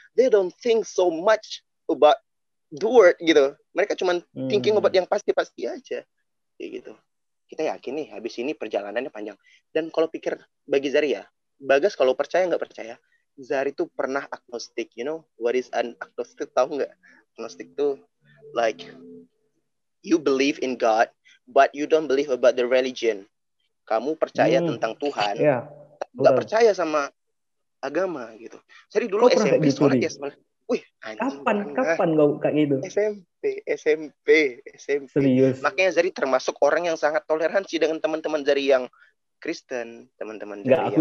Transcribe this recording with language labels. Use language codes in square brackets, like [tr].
[en] They don't think so much about the world, gitu. [id] Mereka cuma [en] thinking about [id] yang pasti-pasti aja. Ya gitu. Kita yakin nih, habis ini perjalanannya panjang. Dan kalau pikir bagi Zari ya, Bagas kalau percaya nggak percaya, Zari tuh pernah agnostik, [en] you know? What is an agnostic, [id] tahu nggak? Agnostik tuh, [en] like, you believe in God, but you don't believe about the religion. [id] Kamu percaya tentang Tuhan, nggak percaya sama agama, gitu. Zari dulu kok SMP, sholat ya, kapan gak kayak gitu? SMP. Serius. Makanya Zari termasuk orang yang sangat toleransi dengan teman-teman Zari yang Kristen, teman-teman Zari.